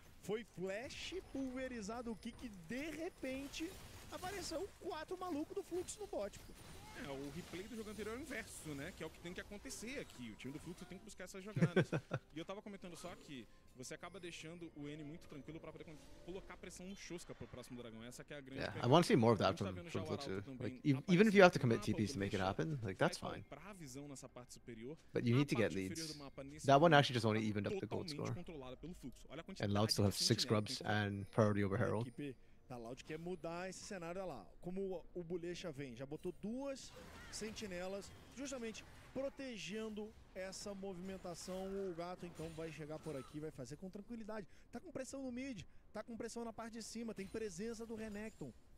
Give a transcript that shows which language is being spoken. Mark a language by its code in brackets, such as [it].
[pt] Foi flash pulverizado o Kick, de repente apareceu quatro malucos do Fluxo no bot. É, o replay do jogo anterior é o inverso, né? Que é o que tem que acontecer aqui. O time do Fluxo tem que buscar essas jogadas. E eu tava comentando só que você acaba deixando o N muito tranquilo pra poder colocar pressão no Chusca pro próximo dragão. Essa que é a grande. [en] Yeah, I want to see more of that from Fluxo. Like, even if you have to commit TPs to make it happen, like, that's fine. [pt] Pra visão nessa parte superior, [en] but you need to get leads. That one actually just only evened up the gold score. [pt] Controlada pelo Fluxo. Olha, [en] and Loud still have 6 grubs and priority over Herald. [pt] A Loud quer mudar esse cenário lá. Como o Bulecha vem, já botou duas sentinelas, justamente protegendo essa movimentação. O gato então vai chegar por aqui, vai fazer com tranquilidade. Tá com pressão no mid, tá com pressão na parte de cima, tem presença do Renekton.